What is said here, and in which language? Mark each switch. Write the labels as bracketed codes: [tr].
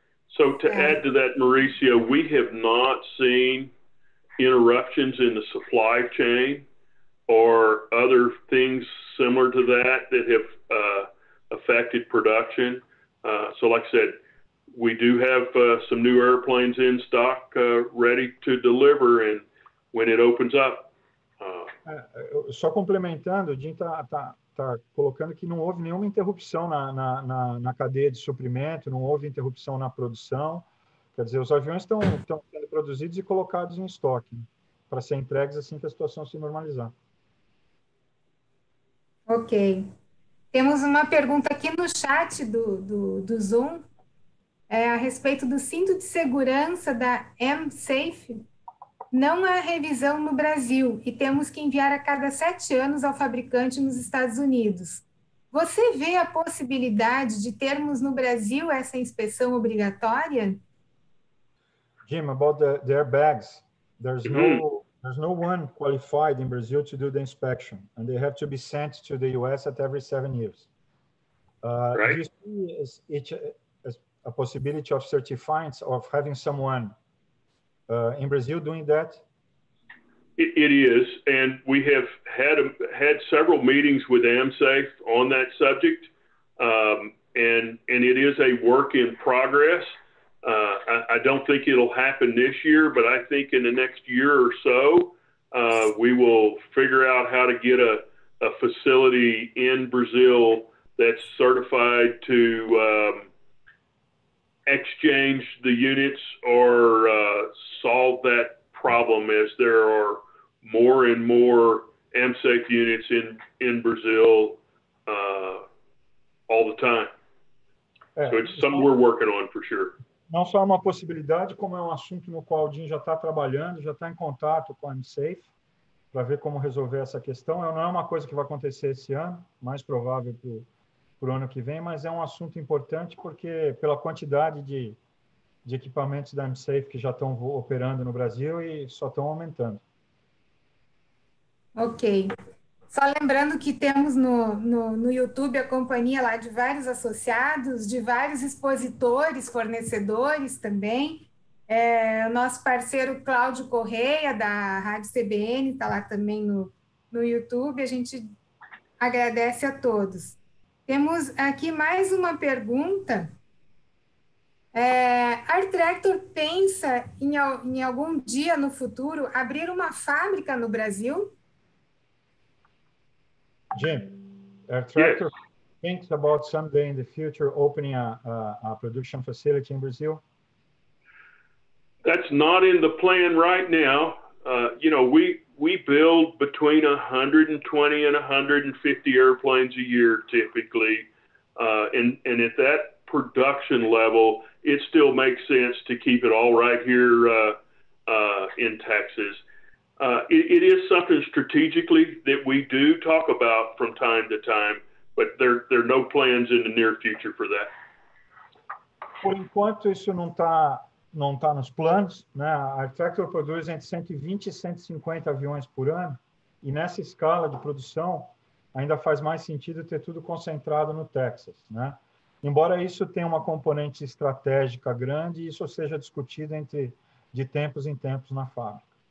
[en] So to add to that, Mauricio, we have not seen interruptions in the supply chain or other things similar to that that have affected production. So like I said, we do have some new airplanes in stock ready to deliver, and when it opens up. [pt] Só complementando, o Jim tá colocando que não houve nenhuma interrupção na cadeia de suprimento, não houve interrupção na produção. Quer dizer, os aviões estão sendo produzidos e colocados em estoque, né, para ser entregues assim que a situação se normalizar. Ok. Temos uma pergunta aqui no chat do Zoom. É, a respeito do cinto de segurança da M-Safe, não há revisão no Brasil e temos que enviar a cada 7 anos ao fabricante nos Estados Unidos. Você vê a possibilidade de termos no Brasil essa inspeção obrigatória? [en] Jim, about the airbags, there's no one qualified in Brazil to do the inspection, and they have to be sent to the US at every 7 years. Right. Do you see as a possibility of certifying, of having someone in Brazil doing that? It is, and we have had several meetings with AmSafe on that subject, and it is a work in progress. I don't think it'll happen this year, but I think in the next year or so, we will figure out how to get a facility in Brazil that's certified to exchange the units or solve that problem, as there are more and more AmSafe units in Brazil all the time. So it's something we're working on for sure. [pt] Não só é uma possibilidade, como é um assunto no qual o Jim já está trabalhando, já está em contato com a AmSafe para ver como resolver essa questão. Não é uma coisa que vai acontecer esse ano, mais provável para o ano que vem, mas é um assunto importante porque pela quantidade de equipamentos da AmSafe que já estão operando no Brasil e só estão aumentando. Ok. Só lembrando que temos no YouTube a companhia lá de vários associados, de vários expositores, fornecedores também. O nosso parceiro Cláudio Correia, da Rádio CBN, está lá também no YouTube. A gente agradece a todos. Temos aqui mais uma pergunta. Artractor pensa em algum dia no futuro abrir uma fábrica no Brasil? [en] Jim, Artractor thinks about someday in the future opening a production facility in Brazil? That's not in the plan right now. You know, we build between 120 and 150 airplanes a year, typically. And at that production level, it still makes sense to keep it all right here in Texas. It is something strategically that we do talk about from time to time, but there are no plans in the near future for that. [pt] Por enquanto, isso não tá nos planos, né? A Artractor produz entre 120 e 150 aviões por ano, e nessa escala de produção, ainda faz mais sentido ter tudo concentrado no Texas, né? Embora isso tenha uma componente estratégica grande, isso seja discutido de tempos em tempos na fábrica.